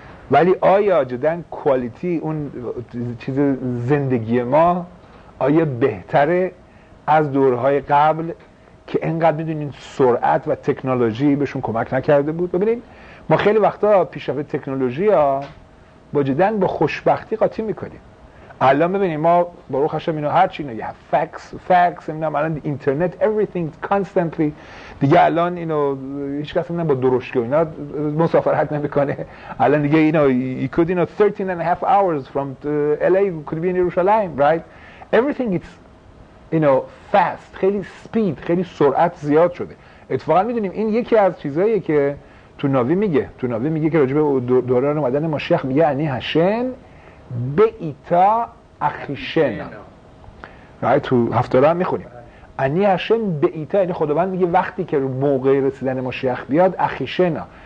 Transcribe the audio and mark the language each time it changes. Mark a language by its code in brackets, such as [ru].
[fa] ولی آیا جدن کوالیتی اون چیز زندگی ما آیا بهتره از دورهای قبل که انقدر میدونین سرعت و تکنولوژی بهشون کمک نکرده بود؟ ببینین ما خیلی وقتا پیشرفت تکنولوژی ها با جدن با خوشبختی قاطی میکنیم. الان ببینیم ما باروخ هاشم اینو هر چی اینو یه فکس امینام الان اینترنت [en] everything constantly [fa] دیگه، الان اینو هیچ کس امینام با درشگی و اینا مسافرت نمی کنه. الان دیگه اینو [en] you could اینو 13 and a half hours from LA could be in Jerusalem, right? Everything it's fast، [fa] خیلی سپید، خیلی سرعت زیاد شده. اتفاقا میدونیم این یکی از چیزهایی که تو ناوی میگه که راجب دوران اومدن مشیخ میگه انی هشن به ایتا اخیشن، right؟ تو هفتاره هم میخونیم انی هشن به ایتا، یعنی خداوند میگه وقتی که موقع رسیدن مشیخ بیاد اخیشن.